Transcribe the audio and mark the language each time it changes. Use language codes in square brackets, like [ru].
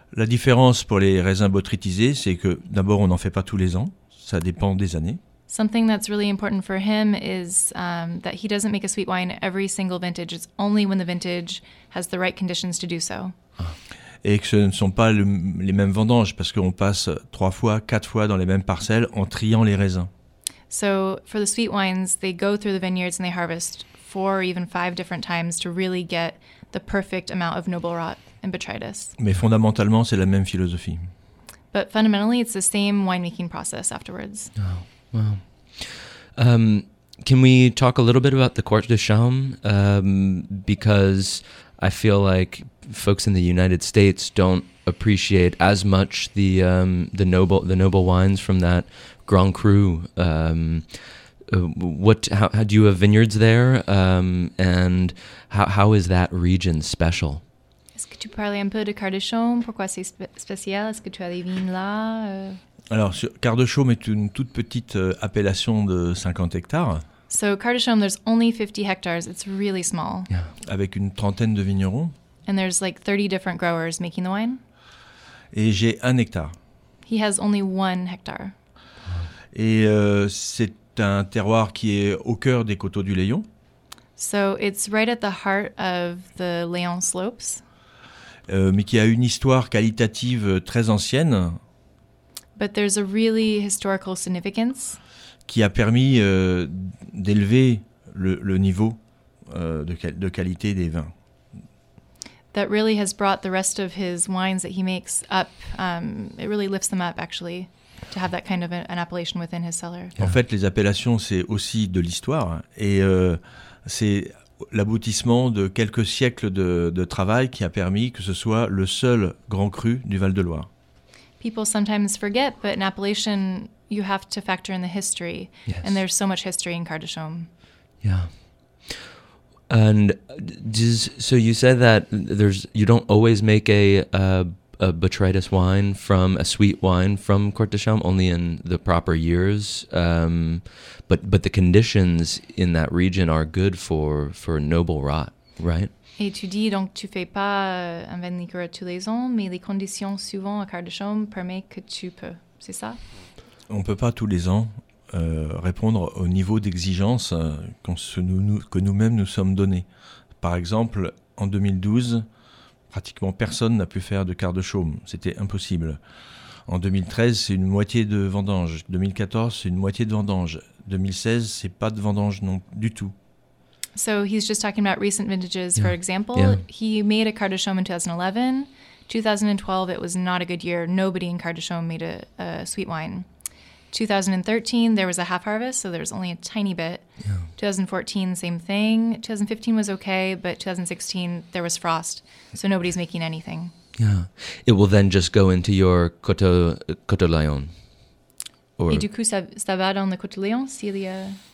[fr] La différence pour les raisins botrytisés, c'est que d'abord, on n'en fait pas tous les ans, ça dépend des années. [en] Something that's really important for him is that he doesn't make a sweet wine every single vintage. It's only when the vintage has the right conditions to do so. [fr] Et que ce ne sont pas les mêmes vendanges, parce qu'on passe trois fois, quatre fois dans les mêmes parcelles en triant les raisins. [en] So for the sweet wines, they go through the vineyards and they harvest four or even five different times to really get the perfect amount of noble rot and botrytis. [fr] Mais fondamentalement, c'est la même philosophie. [en] But fundamentally, it's the same winemaking process afterwards. Oh. Wow. Can we talk a little bit about the Court de Chaume? Because I feel like folks in the United States don't appreciate as much the noble wines from that Grand Cru. How do you have vineyards there? And how is that region special? [fr] Est-ce que tu parles un peu de Court de Chaume? Pourquoi c'est spécial? Est-ce que tu as des vignes là? Alors, Quart de Chaume est une toute petite appellation de 50 hectares. [en] So, Quart de Chaume, there's only 50 hectares. It's really small. [fr] Yeah. Avec une trentaine de vignerons. [en] And there's like 30 different growers making the wine. [fr] Et j'ai un hectare. [en] He has only one hectare. [fr] Et c'est un terroir qui est au cœur des coteaux du Layon. [en] So, it's right at the heart of the Layon slopes. [fr] Mais qui a une histoire qualitative très ancienne. [en] But there's a really historical significance. [fr] Qui a permis d'élever le niveau de qualité des vins. [en] That really has brought the rest of his wines that he makes up. It really lifts them up, actually, to have that kind of an appellation within his cellar. [fr] Yeah. En fait, les appellations, c'est aussi de l'histoire. Et c'est l'aboutissement de quelques siècles de travail qui a permis que ce soit le seul grand cru du Val-de-Loire. [en] People sometimes forget, but in appellation, you have to factor in the history. Yes. And there's so much history in Quart de Chaume. Yeah. And so you said that you don't always make a botrytis wine from a sweet wine from Quart de Chaume, only in the proper years. But the conditions in that region are good for noble rot, right? [fr] Et tu dis donc tu fais pas un vin liqueur tous les ans, mais les conditions souvent à Quart de Chaume permettent que tu peux, c'est ça? On peut pas tous les ans répondre au niveau d'exigence que nous-mêmes nous sommes donnés. Par exemple, en 2012, pratiquement personne n'a pu faire de Quart de Chaume, c'était impossible. En 2013, c'est une moitié de vendange. 2014, c'est une moitié de vendange. 2016, c'est pas de vendange non du tout. [en] So he's just talking about recent vintages, for example. Yeah. He made a Carte de Chaume in 2011. 2012, it was not a good year. Nobody in Carte de Chaume made a sweet wine. 2013, there was a half harvest, so there was only a tiny bit. Yeah. 2014, same thing. 2015 was okay, but 2016, there was frost, so nobody's making anything. Yeah. It will then just go into your Côte de Lyon. [fr] Et du coup, ça va dans le Côte de Lyon, s'il y a...